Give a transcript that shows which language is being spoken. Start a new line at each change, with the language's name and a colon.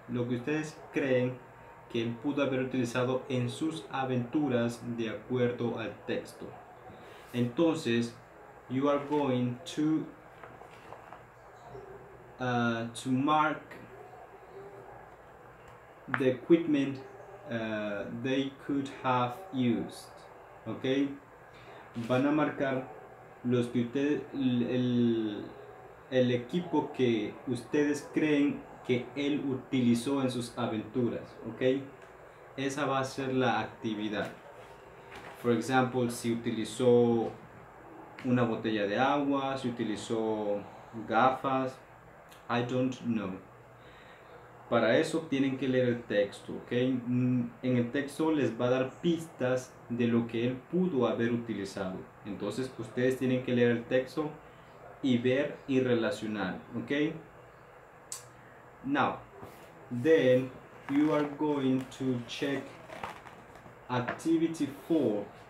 Spanish: Lo que ustedes creen que él pudo haber utilizado en sus aventuras de acuerdo al texto.
English: Entonces, you are going to mark the equipment they could have used. ¿Ok?
Spanish: Van a marcar los que ustedes, el equipo que ustedes creen que él utilizó en sus aventuras. ¿Ok? Esa va a ser la actividad.
English: For example,
Spanish: si utilizó una botella de agua, si utilizó gafas,
English: I don't know.
Spanish: Para eso tienen que leer el texto, ¿ok? En el texto les va a dar pistas de lo que él pudo haber utilizado. Entonces, ustedes tienen que leer el texto y ver y relacionar, ¿ok?
English: Now, then you are going to check activity 4.